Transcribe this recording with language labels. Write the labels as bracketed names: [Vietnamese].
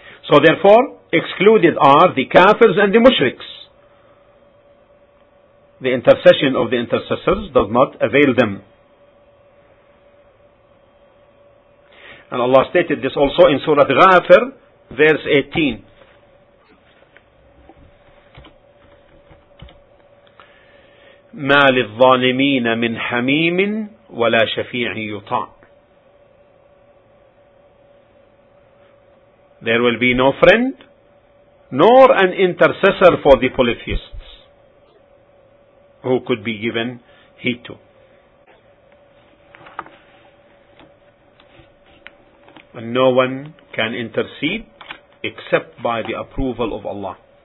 [English] So therefore, excluded are the kafirs and the mushriks. The intercession of the intercessors does not avail them. And Allah stated this also in Surah Ghafir, verse 18. [Arabic] ما للظالمين من حميم ولا شفيع يطاع. [English] There will be no friend nor an intercessor for the polytheists who could be given heed to. And no one can intercede except by the approval of Allah.